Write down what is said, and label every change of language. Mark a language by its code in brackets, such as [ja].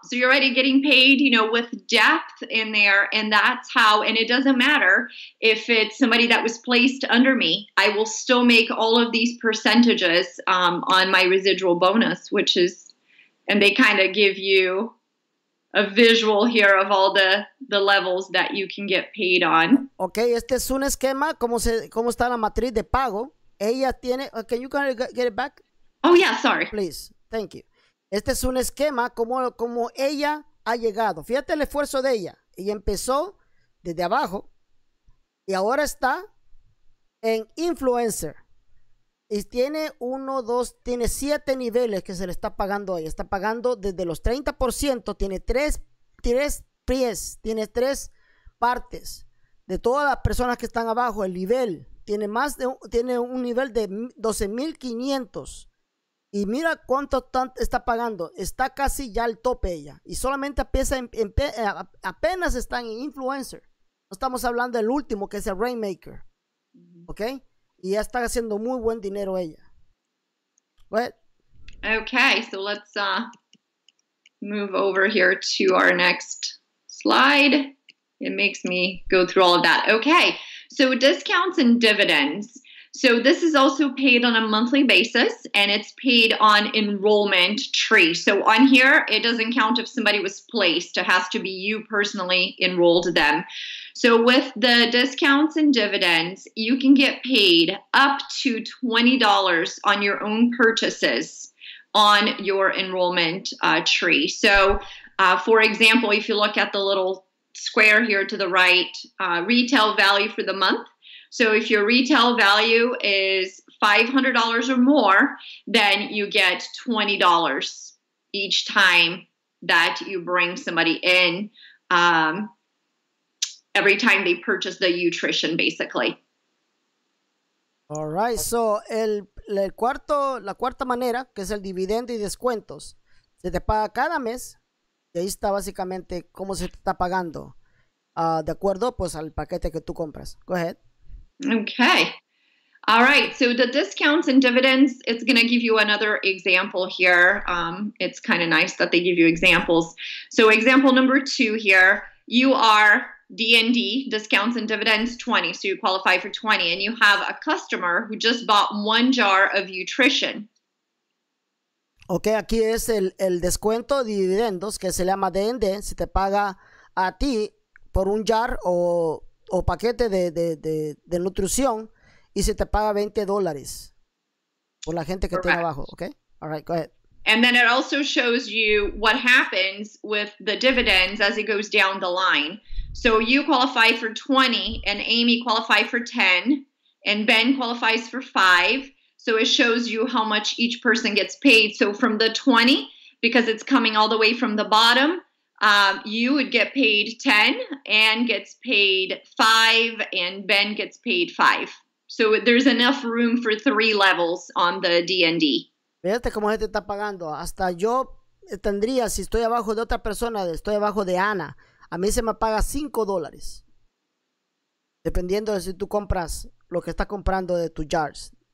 [en] So you're already getting paid, you know, with depth in there. And that's how, and it doesn't matter if it's somebody that was placed under me. I will still make all of these percentages on my residual bonus, which is, and they kind of give you a visual here of all the levels that you can get paid on. [es] Okay, este es un esquema cómo está la matriz de pago. Ella tiene, [en] can you kind of get it back? Oh yeah, sorry. Please, thank you. [es] Este es un esquema cómo ella ha llegado. Fíjate el esfuerzo de ella. Ella empezó desde abajo y ahora está en influencer. Y tiene uno, dos, tiene 7 niveles que se le está pagando ahí. Está pagando desde los 30%, tiene tres partes de todas las personas que están abajo. El nivel tiene más de un nivel de 12,500. Y mira cuánto está pagando. Está casi ya al tope ella. Y solamente apenas están en influencer. No estamos hablando del último que es el Rainmaker. ¿Ok? Y ya está haciendo muy buen dinero ella. [en] What? Okay, so let's move over here to our next slide. It makes me go through all of that. Okay, so discounts and dividends. So this is also paid on a monthly basis, and it's paid on enrollment tree. So on here, it doesn't count if somebody was placed. It has to be you personally enrolled them. So with the discounts and dividends, you can get paid up to $20 on your own purchases on your enrollment tree. So for example, if you look at the little square here to the right, retail value for the month. So if your retail value is $500 or more, then you get $20 each time that you bring somebody in, every time they purchase the nutrition, basically. All right. [es] So la cuarta manera, que es el dividendo y descuentos, se te paga cada mes. Y ahí está básicamente cómo se está pagando, de acuerdo pues al paquete que tú compras. [en] Go ahead. Okay. All right. So the discounts and dividends, it's going to give you another example here. It's kind of nice that they give you examples. So example number two here, you are D&D, discounts and dividends, 20. So you qualify for 20. And you have a customer who just bought one jar of nutrition. [es] Okay, aquí es el descuento de dividendos que se llama D&D. Se te paga a ti por un jar o paquete de nutrición y se te paga $20 por la gente que tiene abajo. [en] Okay, all right, go ahead. And then it also shows you what happens with the dividends as it goes down the line. So you qualify for 20 and Amy qualify for 10 and Ben qualifies for 5. So it shows you how much each person gets paid. So from the 20, because it's coming all the way from the bottom, you would get paid 10, Ann gets paid 5, and Ben gets paid 5. So there's enough room for 3 levels on the D&D. [es] Fíjate cómo se te está pagando. Hasta yo tendría, si estoy abajo de otra persona, estoy abajo de Ana, a mí se me paga $5. Dependiendo de si tú compras lo que estás comprando de tus jars.